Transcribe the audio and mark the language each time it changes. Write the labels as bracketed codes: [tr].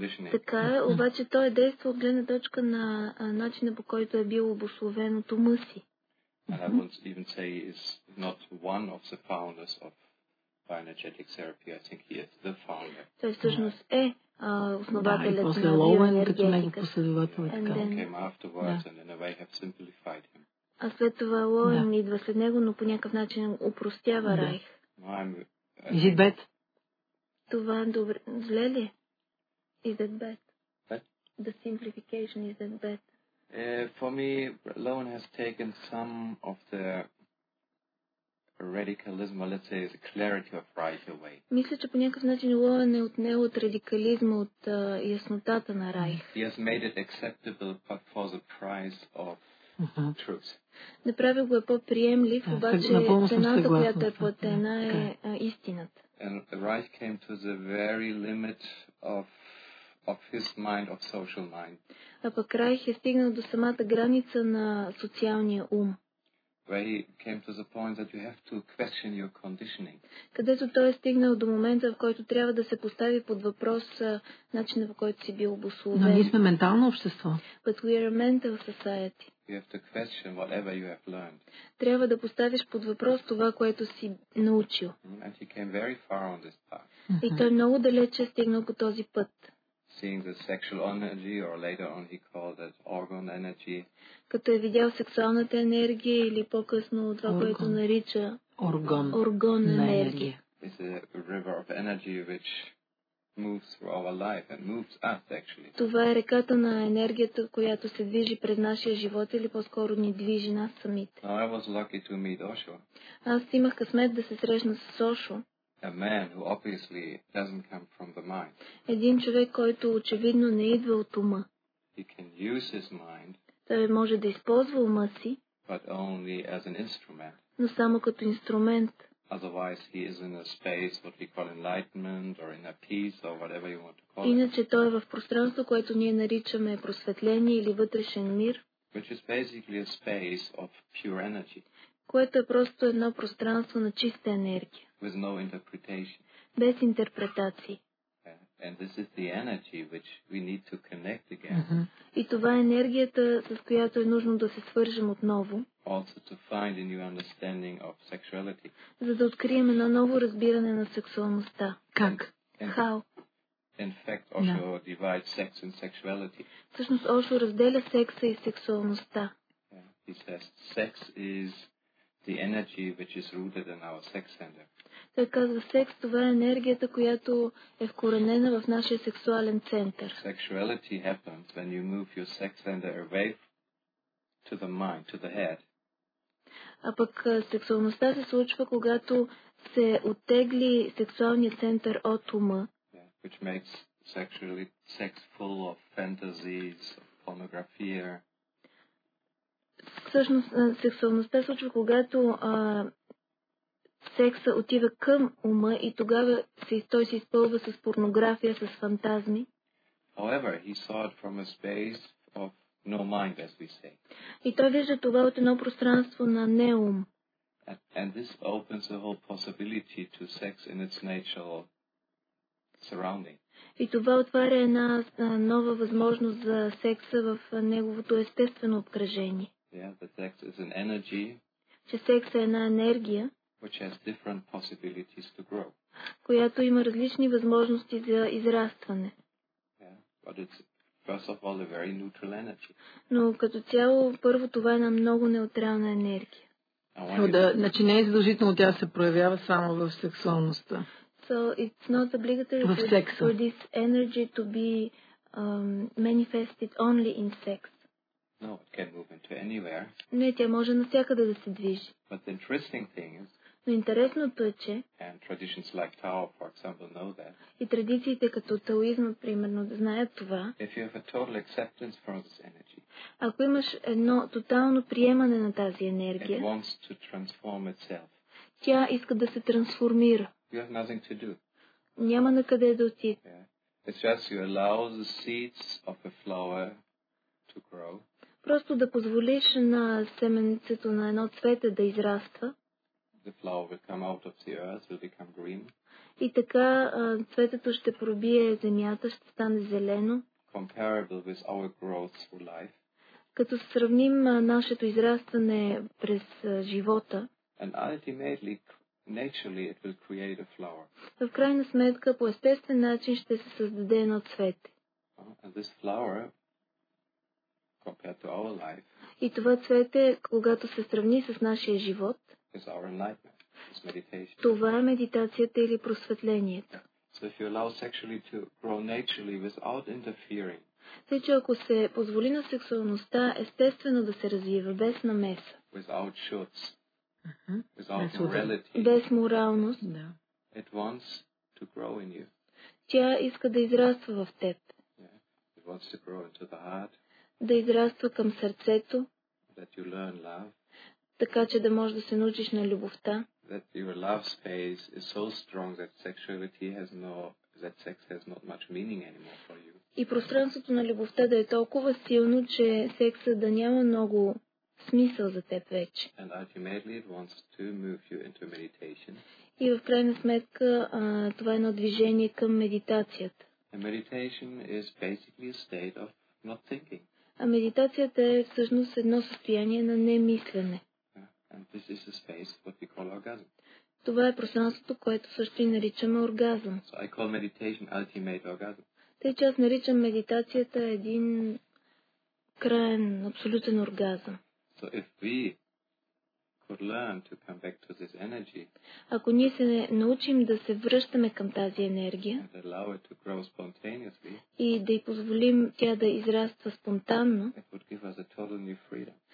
[bg] Така, обаче той е действал от гледна точка на начина, по който е бил обусловен от ума си. [en] And I won't even say he is not one of the founders of bioenergetic therapy. I think he is the founder. [bg] Той всъщност е основателят на биоенергетика. Да, и после Лоуен, като него последовател е така. [en] And then, came afterwards and in a way have simplified him. [bg] А след това Лоуен идва след него, но по някакъв начин упростява Райх. Зидбет. Това е добре. Зле ли? [en] Is it bad? What? The simplification, is it bad? For me, Lone has taken some of the radicalism, or let's say the clarity of Reich away. [bg] Мисля, че по някакъв начин Лоен е отнел от радикализма, от яснотата на Райх. [en] He has made it acceptable but for the price of truth. [bg] Направил го е по-приемлив, обаче цената, която е платена, е истината. [en] And Reich came to the very limit of his mind, of social mind. [bg] А пък Райх е стигнал до самата граница на социалния ум. [en] Where he came to the point that you have to question your conditioning. [bg] Където той е стигнал до момента, в който трябва да се постави под въпрос начина, по който си бил обусловен. Но ние сме ментално общество. [en] But we are a mental society. You have to question whatever you have learned. [bg] Трябва да поставиш под въпрос това, което си научил. [en] And he came very far on this path. [bg] И той много далече е стигнал по този път. [en] Seeing the sexual energy, or later on he called it organ energy. [bg] Като е видял сексуалната енергия или по-късно това, което нарича орган енергия. [en] It's a river of energy which moves through our life and moves us actually. [bg] Това е реката на енергията, която се движи през нашия живот или по-скоро ни движи нас самите. [en] Now, I was lucky to meet Osho. [bg] Аз имах късмет да се срещна с Осо. [en] A man who obviously doesn't come from the mind. [bg] Един човек, който очевидно не идва от ума. [en] He can use his mind. [bg] Той може да използва ума си. [en] But only as an instrument. [bg] Но само като инструмент. [en] Otherwise he is in a space what we call enlightenment or in a peace or whatever you want to call it. [bg] Иначе той е в пространство, което ние наричаме просветление или вътрешен мир. [en] Which is basically a space of pure energy. [bg] Което е просто едно пространство на чиста енергия. [en] With no interpretation. [bg] Без интерпретации. [en] And this is the energy which we need to connect again. Mm-hmm. [bg] И това е енергията, с която е нужно да се свържем отново. [en] Also to find a new understanding of sexuality. [bg] За да открием едно ново разбиране на сексуалността. Как? [en] How? In fact, Osho divides sex and sexuality. [bg] Всъщност Осо разделя секса и сексуалността. [en] He says sex is the energy which is rooted in our sex center. [bg] Той казва, секс, това е енергията, която е вкоренена в нашия сексуален център. [en] Sexuality happens when you move your sex center away to the mind, to the head. [bg] А пък сексуалността се случва, когато се оттегли сексуалния център от ума. [en] Yeah, which makes sexually sex full of fantasies, pornographia. [bg] Всъщност сексуалността се случва, когато секса отива към ума и тогава той се изпълва с порнография, с фантазми. [en] However, he saw it from a space of no mind, as we say. [bg] И той вижда това от едно пространство на неум. [en] And this opens a whole possibility to sex in its natural surrounding. [bg] И това отваря една нова възможност за секса в неговото естествено обкръжение. [en] Yeah, the sex is an energy. [bg] Че секса е една енергия. [en] Which has different possibilities to grow. [bg] Която има различни възможности за израстване. [en] Yeah, but it's first of all a very neutral energy. [bg] Но като цяло първо това е на много неутрална енергия. Значи не е задължително тя се проявява само в сексуалността. [en] So it's not obligatory for this energy to be manifested only in sex. No, it can move into anywhere. [bg] Не, тя може навсякъде да се движи. [en] But the interesting thing is. [bg] Но интересното е, че [en] like Tao, for example, know that, [bg] и традициите като таоизма, примерно, знаят това. [en] If you have a total acceptance for this energy, [bg] ако имаш едно тотално приемане на тази енергия, [en] it wants to transform itself. [bg] Тя иска да се трансформира. [en] You have nothing to do. [bg] Няма накъде да отиде. [en] Yeah. It's just you allow the seeds of a flower to grow. [bg] Просто да позволиш на семенцето на едно цвете да израства. [en] The flower will come out of the earth, will become green. [bg] И така цветето ще пробие земята, ще стане зелено. [en] Comparable with our growth through life. [bg] Като сравним нашето израстване през живота. [en] And ultimately, naturally, it will create a flower. [bg] В крайна сметка, по естествен начин ще се създаде едно цвете. [en] And this flower, compared to our life. [bg] И това цвете, когато се сравни с нашия живот. [en] Is our enlightenment, is meditation. [bg] Това е медитацията или просветлението. [en] So if you allow sexually to grow naturally without interfering. [bg] Тъй, че ако се позволи на сексуалността естествено да се развива без намеса. [en] Without shoulds. Without morality. [bg] Без моралност. Да. [en] It wants to grow in you. [bg] Тя иска да израства в теб. [en] Yeah. It wants to grow into the heart. [bg] Да израства към сърцето. [en] That you learn love. [bg] Така че да можеш да се научиш на любовта. [en] That your love space is so strong that sexuality has no, that sex has not much meaning anymore for you. [bg] И пространството на любовта да е толкова силно, че секса да няма много смисъл за теб вече. [en] And ultimately it wants to move you into meditation. [bg] И в крайна сметка това е едно движение към медитацията. [en] And meditation is basically a state of not thinking. [bg] А медитацията е всъщност едно състояние на немислене. [en] And this is a space what we call orgasm. [bg] Това е пространството, което също и наричаме оргазъм. [en] So I call meditation ultimate orgasm. [bg] Тъй, че аз наричам медитацията един краен, абсолютен оргазъм. [en] So if we could learn to come back to this energy, [bg] ако ние се научим да се връщаме към тази енергия [en] and allow it to grow spontaneously, [bg] и да й позволим тя да израства спонтанно, [en] it would give us a total new freedom.